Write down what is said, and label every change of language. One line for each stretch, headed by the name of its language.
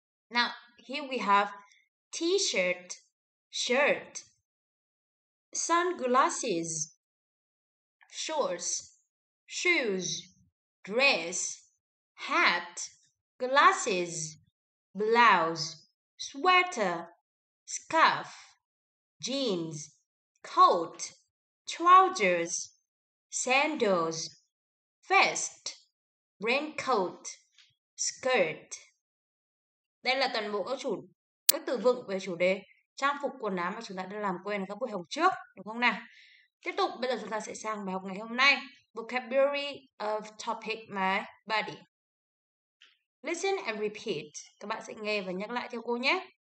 English: Now, here we have t-shirt, shirt, sunglasses, shorts, shoes, dress, hat, glasses, blouse, sweater, scarf, jeans, coat, trousers, sandals, vest, raincoat, skirt.
Vietnamese: Đây là toàn bộ các từ vựng về chủ đề trang phục quần áo mà chúng ta đã làm quen ở các buổi học trước, đúng không nào? Tiếp tục, bây giờ chúng ta sẽ sang bài học ngày hôm nay.
English: Vocabulary of topic my body. Listen and repeat.
Vietnamese: Các bạn sẽ nghe và nhắc lại theo cô nhé.